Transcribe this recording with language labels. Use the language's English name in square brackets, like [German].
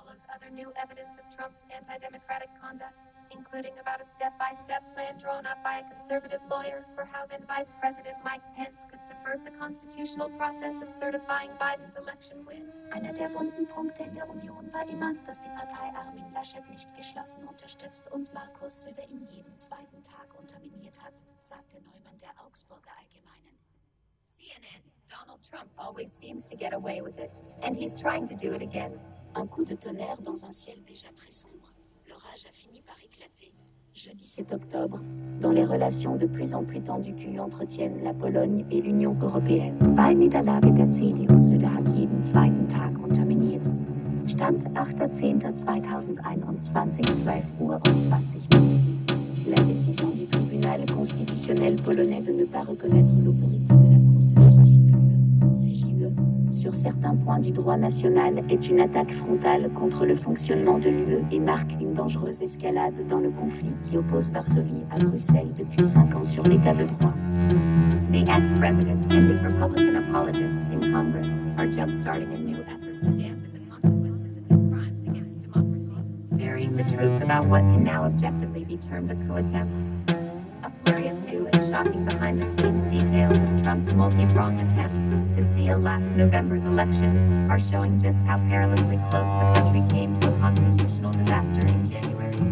[English] Other new evidence of Trump's anti-democratic conduct, including about a step-by-step plan drawn up by a conservative lawyer for how then-Vice President Mike Pence could subvert the constitutional process of certifying Biden's election win. [German] Einer der wunden Punkte in der Union war immer, dass die Partei Armin Laschet nicht geschlossen unterstützt und Markus Söder ihn jeden zweiten Tag unterminiert hat, sagte Neumann der Augsburger Allgemeinen. [English] CNN, Donald Trump always seems to get away with it, and he's trying to do it again. [French] Un coup de tonnerre dans un ciel déjà très sombre. L'orage a fini par éclater. Jeudi 7 octobre, dans les relations de plus en plus tendues qu'entretiennent la Pologne et l'Union européenne. [German] Wahlniederlage der CDU Söder hat jeden zweiten Tag unterminiert. Stand 8.10.2021, 12:20. [French] La décision du tribunal constitutionnel polonais de ne pas reconnaître l'autorité de la Cour de justice de l'UE, CJUE, sur certains points du droit national est une attaque frontale contre le fonctionnement de l'UE et marque une dangereuse escalade dans le conflit qui oppose Varsovie à Bruxelles depuis 5 ans sur l'état de droit. [English] The ex-president and his Republican apologists in Congress are jump-starting a new effort to dampen the consequences of his crimes against democracy, burying the truth about what can now objectively be termed a co-attempt. A flurry of new and shocking behind-the-scenes details of Trump's multi-pronged attempts to steal last November's election are showing just how perilously close the country came to a constitutional disaster in January.